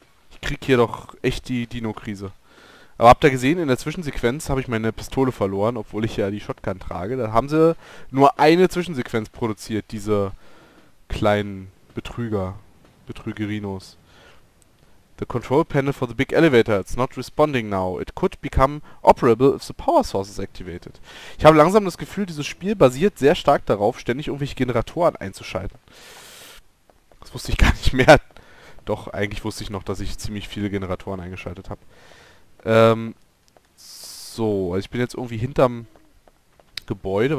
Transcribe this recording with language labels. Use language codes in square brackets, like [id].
[de] Ich krieg hier doch echt die Dino-Krise. Aber habt ihr gesehen, in der Zwischensequenz habe ich meine Pistole verloren, obwohl ich ja die Shotgun trage. Da haben sie nur eine Zwischensequenz produziert, diese kleinen Betrüger, Betrügerinos. [en] The control panel for the big elevator, it's not responding now. It could become operable if the power source is activated. [de] Ich habe langsam das Gefühl, dieses Spiel basiert sehr stark darauf, ständig irgendwelche Generatoren einzuschalten. Das wusste ich gar nicht mehr. Doch, eigentlich wusste ich noch, dass ich ziemlich viele Generatoren eingeschaltet habe. So, also ich bin jetzt irgendwie hinterm Gebäude.